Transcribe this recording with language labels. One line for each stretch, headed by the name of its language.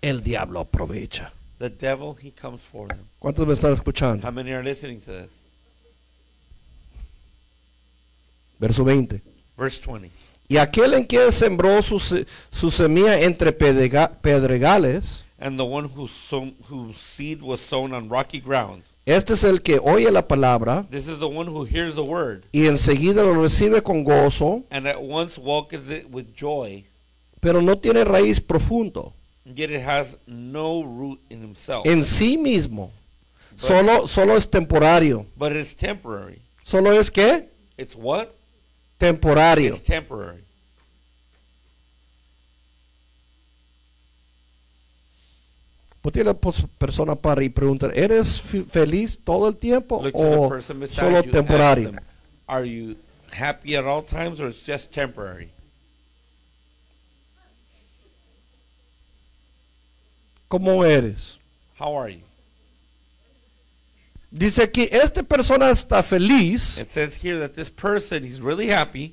Spanish: El diablo aprovecha.
English: The devil, he comes for them.
Spanish: ¿Cuántos me están escuchando?
English: How many are listening to this?
Spanish: Verso 20.
English: Verse 20.
Spanish: Y aquel en quien sembró su semilla entre pedregales.
English: And the one whose seed was sown on rocky ground.
Spanish: Este es el que oye la palabra.
English: This is the one who hears the word.
Spanish: Y enseguida lo recibe con gozo.
English: And at once welcomes it with joy.
Spanish: Pero no tiene raíz profundo.
English: Yet it has no root in himself.
Spanish: En sí mismo. Solo es temporario.
English: But it's temporary.
Spanish: Solo es qué?
English: It's what?
Spanish: Temporario.
English: It's temporary.
Spanish: Voltea la persona para y pregunta, ¿eres feliz todo el tiempo o solo temporario?
English: Are you happy at all times or it's just temporary?
Spanish: ¿Cómo eres?
English: How are you?
Spanish: Dice que esta persona está feliz.
English: It says here that this person is really happy.